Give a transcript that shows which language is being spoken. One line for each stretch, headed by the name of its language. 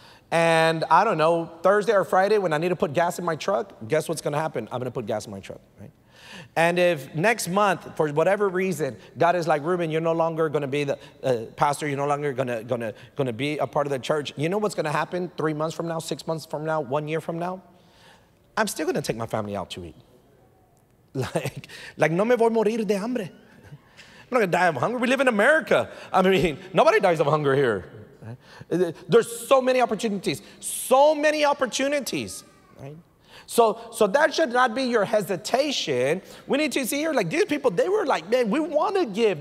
English: And I don't know, Thursday or Friday, when I need to put gas in my truck, guess what's going to happen? I'm going to put gas in my truck. Right? And if next month, for whatever reason, God is like, Ruben, you're no longer going to be the pastor. You're no longer going to be a part of the church. You know what's going to happen 3 months from now, 6 months from now, 1 year from now? I'm still going to take my family out to eat. Like,
Spanish: no me voy a morir de hambre.
English: I'm not going to die of hunger. We live in America. I mean, nobody dies of hunger here. There's so many opportunities. So many opportunities. Right? So that should not be your hesitation. We need to see here, like, these people, they were like, man, we want to give.